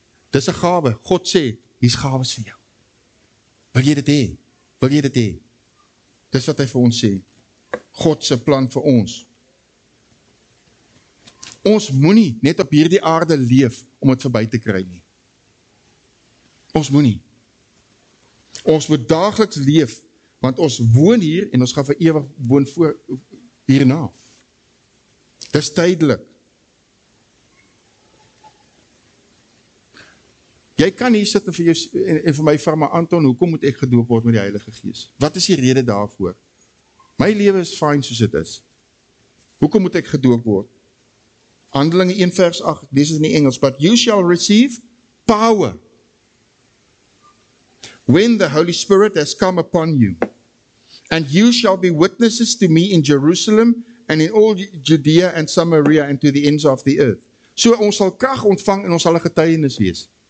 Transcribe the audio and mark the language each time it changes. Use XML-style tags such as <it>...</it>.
<af>Dis 'n gawe. God sê, hier's gawes vir jou. Wil jy dit hê? Wil jy dit hê? Dis wat hy vir ons sê. God se plan vir ons. Ons moenie net op hierdie aarde leef om dit verby te kry nie. Ons moenie. Ons moet daagliks leef, want ons woon hier en ons gaan vir ewig woon voor hierna. Dis tydelik. Jy kan hier sit en vir jou en vir my vra, maar Anton, hoekom moet ek gedoop word met die Heilige Gees? Wat is die rede daarvoor? My lewe is fine soos dit is. Hoekom moet ek gedoop word? Handelinge 1 vers 8, dis is in die Engels,</af> <en>but you shall receive power when the Holy Spirit has come upon you, and you shall be witnesses to me in Jerusalem and in all Judea and Samaria and to the ends of the earth.</en> <af>So ons sal krag ontvang en ons sal 'n getuienis wees.</af>